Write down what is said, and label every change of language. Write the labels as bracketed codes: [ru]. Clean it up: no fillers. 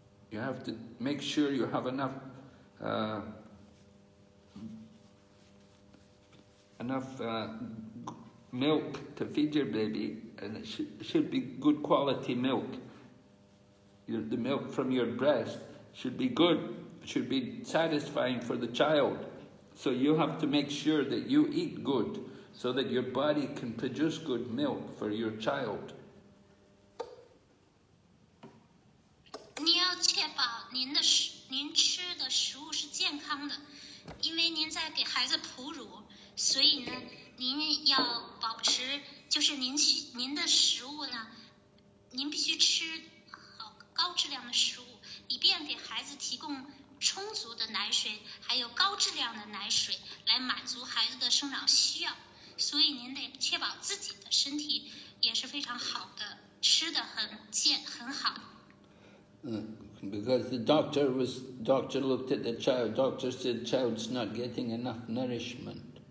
[en] You have to make sure you have enough milk to feed your baby, and it should be good quality milk. The milk from your breast should be good, should be satisfying for the child. So you have to make sure that you eat good, so that your body can produce good milk for your child. [zh] 你要确保您吃的食物是健康的，因为您在给孩子哺乳，所以呢。您要保持，就是您的食物呢，您必须吃好高质量的食物，以便给孩子提供充足的奶水，还有高质量的奶水来满足孩子的生长需要。所以您得确保自己的身体也是非常好的，吃的很好。 [en] Because the doctor looked at the child, doctor said child's not getting enough nourishment.